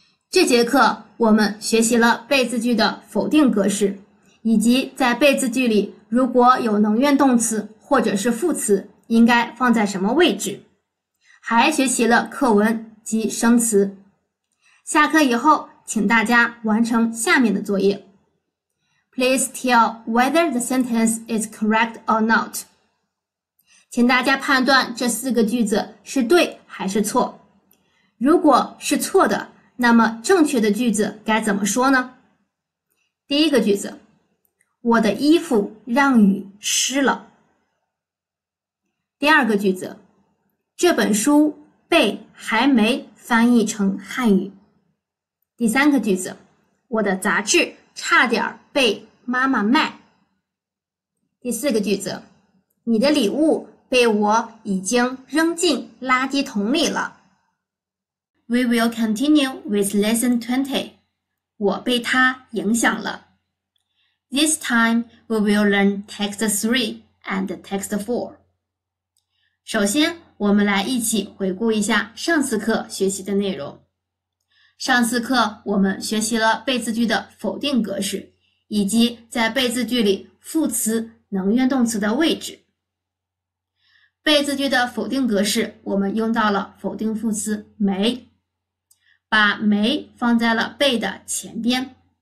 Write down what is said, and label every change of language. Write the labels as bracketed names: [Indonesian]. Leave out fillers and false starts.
[Chinese] 这节课我们学习了被字句的否定格式，以及在被字句里如果有能愿动词或者是副词，应该放在什么位置，还学习了课文及生词。下课以后请大家完成下面的作业。 [English] Please tell whether the sentence is correct or not. [Chinese] 请大家判断这四个句子是对还是错。如果是错的，那么正确的句子该怎么说呢？第一个句子，我的衣服让雨湿了。第二个句子，这本书被还没翻译成汉语。第三个句子，我的杂志差点被妈妈卖。第四个句子，你的礼物被我已经扔进垃圾桶里了。 [English] We will continue with lesson 20. [Chinese] 我被它影响了。 [English] This time we will learn text 3 and text 4. [Chinese] 首先，我们来一起回顾一下上次课学习的内容。上次课我们学习了被字句的否定格式，以及在被字句里副词、能愿动词的位置。被字句的否定格式，我们用到了否定副词没，把没放在了被的前边。